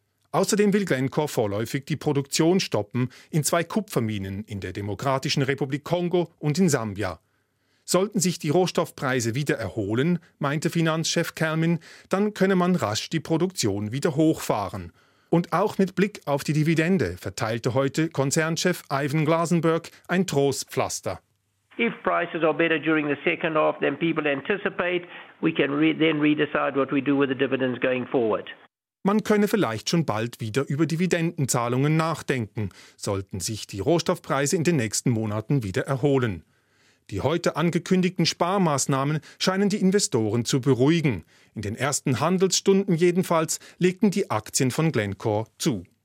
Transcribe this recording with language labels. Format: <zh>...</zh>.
<de>Außerdem will Glencore vorläufig die Produktion stoppen in 2 Kupferminen in der Demokratischen Republik Kongo und in Sambia. Sollten sich die Rohstoffpreise wieder erholen, meinte Finanzchef Kalman, dann könne man rasch die Produktion wieder hochfahren. Und auch mit Blick auf die Dividende verteilte heute Konzernchef Ivan Glasenberg ein Trostpflaster.</de> <en>If prices are better during the second half than people anticipate, we can then redecide what we do with the dividends going forward.</en> <de>Man könne vielleicht schon bald wieder über Dividendenzahlungen nachdenken, sollten sich die Rohstoffpreise in den nächsten Monaten wieder erholen. Die heute angekündigten Sparmaßnahmen scheinen die Investoren zu beruhigen. In den ersten Handelsstunden jedenfalls legten die Aktien von Glencore zu.</de>